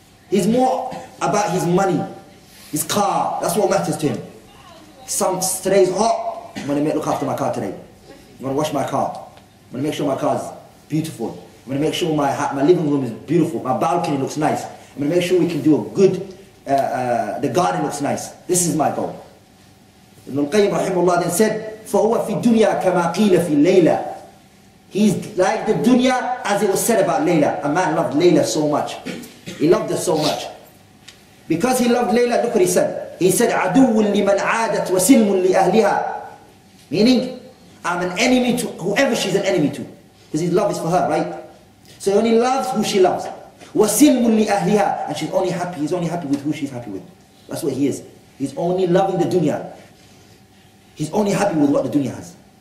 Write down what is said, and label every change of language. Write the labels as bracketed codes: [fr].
[en] He's more about his money, his car. That's what matters to him. Today's hot. I'm going to look after my car today. I'm going to wash my car. I'm going to make sure my car is beautiful. I'm going to make sure my living room is beautiful. My balcony looks nice. I'm going to make sure we can do a good, the garden looks nice. This is my goal. Ibn al-Qayyim rahimahullah then said, [ar] فَهُوَ فِي الدُّنْيَا كَمَا قِيلَ فِي اللَّيْلَى. [en] He's like the dunya as it was said about Layla. A man loved Layla so much. He loved her so much. Because he loved Layla, look what he said. He said, [ar] عَدُوٌ لِمَنْ عَادَتْ وَسِلْمٌ لِأَهْلِهَا. [en] Meaning, I'm an enemy to whoever she's an enemy to. Because his love is for her, right? So he only loves who she loves. [ar] وَسِلْمٌ لِأَهْلِهَا. [en] And she's only happy. He's only happy with who she's happy with. That's what he is. He's only loving the dunya. He's only happy with what the dunya has.